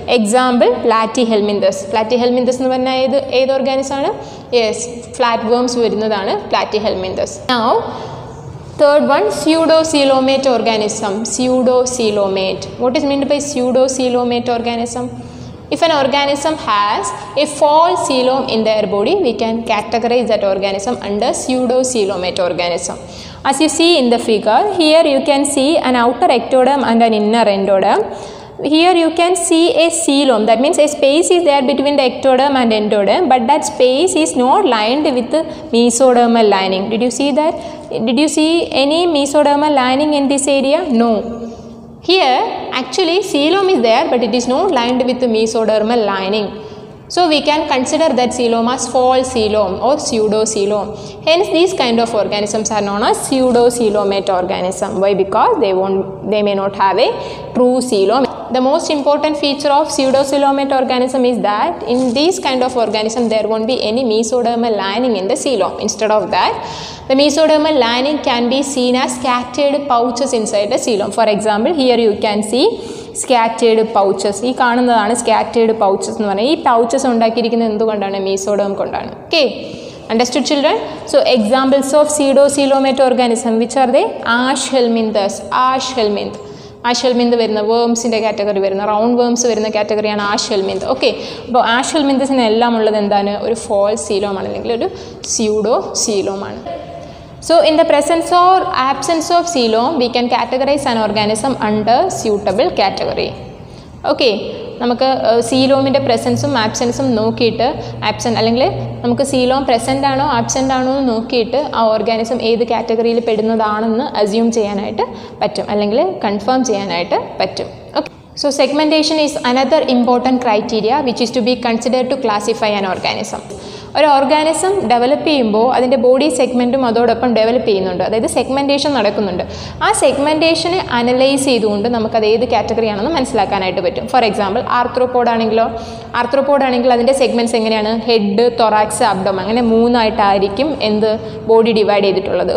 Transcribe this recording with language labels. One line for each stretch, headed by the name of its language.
Malayalam: Example, platy helminthes. Platy helminthes എന്ന് പറഞ്ഞാൽ ഏത് ഓർഗാനിസമാണ്? യെസ്, ഫ്ലാറ്റ് വേംസ് വരുന്നതാണ് platy helminthes.
English: now third one,
Malayalam: pseudo coelomate organism.
English: Pseudocoelomate, what is meant by pseudocoelomate organism? If an organism has a false coelom in their body, we can categorize that organism under pseudocoelomate organism. As you see in the figure, here you can see an outer ectoderm and an inner endoderm. Here you can see a coelom, that means a space is there between the ectoderm and endoderm, but that space is not lined with the mesodermal lining. Did you see that? Did you see any mesodermal lining in this area? No. Here actually coelom is there, but it is not lined with the mesodermal lining. So we can consider that coelom as false coelom or pseudocoelom. Hence these kind of organisms are known as pseudocoelomate organism. Why? Because they may not have a true coelom. The most important feature of pseudocoelomate organism is that in these kind of organism there won't be any mesodermal lining in the coelom. Instead of that, the mesodermal lining can be seen as scattered pouches inside the coelom. For example, here you can see scattered pouches.
Malayalam: ഈ കാണുന്നതാണ് scattered pouches എന്ന് പറയുന്നത്. ഈ pouches ഉണ്ടാക്കിയിരിക്കുന്നത് എന്തുകൊണ്ടാണ്? Mesoderm കൊണ്ടാണ്.
English: Okay, understood children? So examples of pseudocoelomate organism, which are they?
Malayalam: Ash helminthes. Ash helminth, ash helminth വരുന്ന വേംസിൻ്റെ category വരുന്ന റൗണ്ട് വേംസ് വരുന്ന കാറ്റഗറിയാണ് ആഷ് ഹെൽമിന്ത്. ഓക്കെ, അപ്പോൾ ആഷ് ഹെൽമിന്തസിന് എല്ലാം ഉള്ളത് എന്താണ്? ഒരു ഫോൾസ് സീലോമാണ്, അല്ലെങ്കിൽ ഒരു pseudo സീലോമാണ്.
English: So in the presence or absence of coelom, we can categorize an organism under suitable category.
Malayalam: Okay, നമുക്ക് സീലോമിൻ്റെ പ്രസൻസും ആബ്സെൻസും നോക്കിയിട്ട്, ആബ്സെൻ്റ് അല്ലെങ്കിൽ നമുക്ക് സീലോം പ്രസൻ്റ് ആണോ ആബ്സെൻ്റ് ആണോ എന്ന് നോക്കിയിട്ട് ആ ഓർഗാനിസം ഏത് കാറ്റഗറിയിൽ പെടുന്നതാണെന്ന് അസ്യൂം ചെയ്യാനായിട്ട് പറ്റും, അല്ലെങ്കിൽ കൺഫേം ചെയ്യാനായിട്ട് പറ്റും.
English: Okay, so segmentation is another important criteria which is to be considered to classify an organism.
Malayalam: ഒരു ഓർഗാനിസം ഡെവലപ്പ് ചെയ്യുമ്പോൾ അതിൻ്റെ ബോഡി സെഗ്മെൻറ്റും അതോടൊപ്പം ഡെവലപ്പ് ചെയ്യുന്നുണ്ട്, അതായത് സെഗ്മെൻറ്റേഷൻ നടക്കുന്നുണ്ട്. ആ സെഗ്മെൻറ്റേഷനെ അനലൈസ് ചെയ്തുകൊണ്ട് നമുക്കത് ഏത് കാറ്റഗറിയാണെന്ന് മനസ്സിലാക്കാനായിട്ട് പറ്റും. ഫോർ എക്സാമ്പിൾ, ആർത്രോപോഡാണെങ്കിലോ, ആർത്രോപോഡാണെങ്കിൽ അതിൻ്റെ സെഗ്മെൻറ്റ്സ് എങ്ങനെയാണ്? ഹെഡ്, തൊറാക്സ്, അബ്ഡോം, അങ്ങനെ മൂന്നായിട്ടായിരിക്കും എന്ത് ബോഡി ഡിവൈഡ് ചെയ്തിട്ടുള്ളത്.